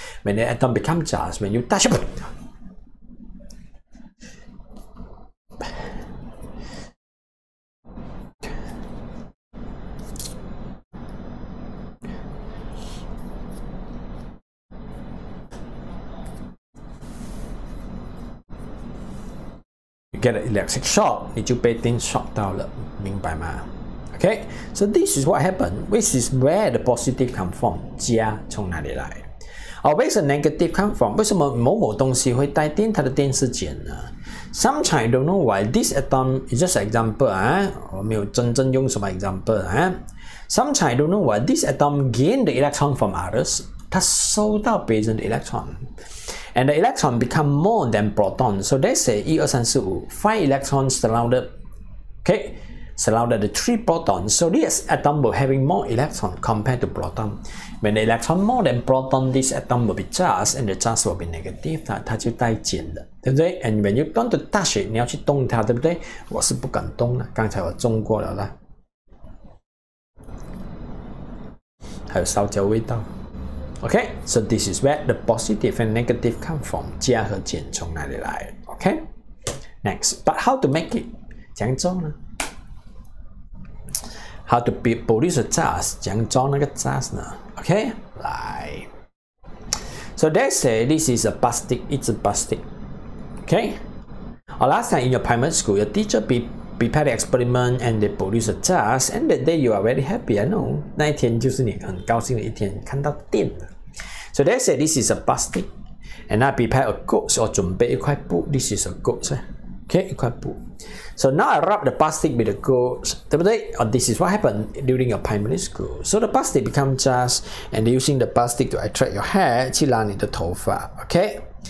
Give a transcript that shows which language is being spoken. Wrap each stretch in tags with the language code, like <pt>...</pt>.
<en>When the atom becomes charged, when you touch it, get an electric shock,</en> <zh>你就被电 shock 到了，明白吗？</zh> <en>Okay, so this is what happened, which is where the positive come from,</en> <zh>加从哪里来？</zh> <en>Or where's the negative come from?</en> <zh>为什么某某东西会带电，它的电是减呢？</zh> <en>Sometimes I don't know why this atom is just an example,</en> <zh>我没有真正用什么 example,</zh> <en>Sometimes I don't know why this atom gained the electron from others,</en> <zh>它收到别人的 electron.</zh> <en>And the electron become more than proton. So they say 1, 2, 3, 4, 5, 5 electrons surrounded, okay, surrounded the 3 protons. So this atom will having more electrons compared to proton. When the electron more than proton, this atom will be charged and the charge will be negative.</en> <zh>它就带减了，对不对？</zh> <en>And when you want to touch it,</en> <zh>你要去动它，对不对？我是不敢动了，刚才我中过了啦。还有烧焦味道。</zh> <en>Okay, so this is where the positive and negative come from.</en> <zh>加和减从哪里来?</zh> <en>Okay, next. But how to make it?</en> <zh>怎样做呢?</zh> <en>How to produce a charge?</en> <zh>怎样做那个 charge 呢?</zh> <en>Okay, 来。 So they say this is a plastic, it's a plastic. Okay, or last time in your primary school, your teacher prepared the experiment and they produce a charge and that day you are very happy, I know.</en> <zh>那一天就是你很高兴的一天看到电了。</zh> <en>So they say this is a plastic, and I prepare a goods or</en> <zh>准备一块布</zh> <en>This is a goods, okay,</en> <zh>一块布</zh> <en>So now I wrap the plastic with the goods,</en> <zh>对不对</zh> <en>Or this is what happened during your primary school. So the plastic become charged, and using the plastic to attract your hair,</en> <zh>去拉你的头发</zh> <en>okay?</en>